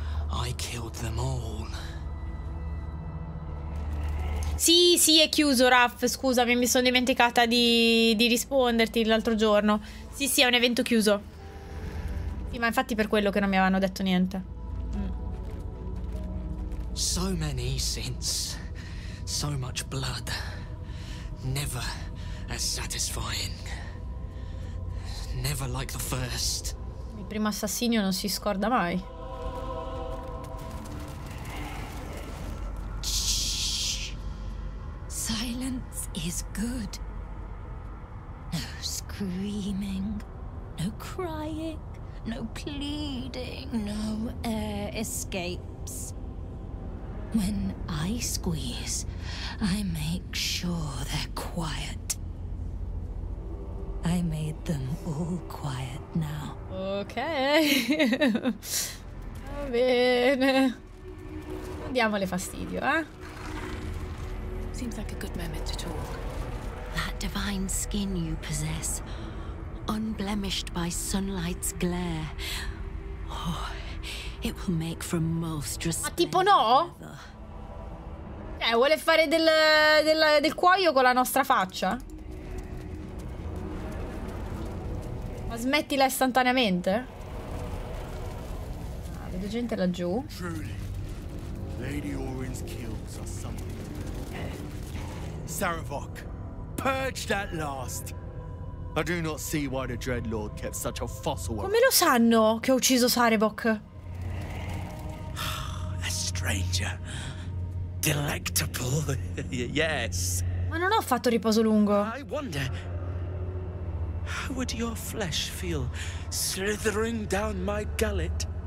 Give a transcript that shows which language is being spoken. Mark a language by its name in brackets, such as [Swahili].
[English] I killed them all. [Italian] Sì, sì, è chiuso, Raf. Scusami, mi sono dimenticata di risponderti l'altro giorno. Sì, sì, è un evento chiuso. Sì, ma infatti per quello che non mi avevano detto niente. [English] So many sins. So much blood. Never as satisfying. never like the first. [Italian] Il primo assassino non si scorda mai. [English] Silence is good. No screaming, no crying, no pleading, no air escapes. When I squeeze, I make sure they're quiet. I made them all quiet now. [Italian] Ok. Va bene. Non diamole fastidio, eh? [English] Seems like a good moment to talk. That divine skin you possess, unblemished by sunlight's glare. Oh, it will make for most respect. [Italian] Ma tipo no? Vuole fare del cuoio con la nostra faccia? Ma smettila istantaneamente? Ah, vedo gente laggiù. [English] Truly, Lady Orin's kills are something. Saravok, purged at last. I do not see why the Dreadlord kept such a fossil. [Italian] Come lo sanno che ho ucciso Saravok? [English] A stranger. Delectable, yes. [Italian] Ma non ho fatto riposo lungo. [English] I wonder how would your flesh feel slithering down my gullet?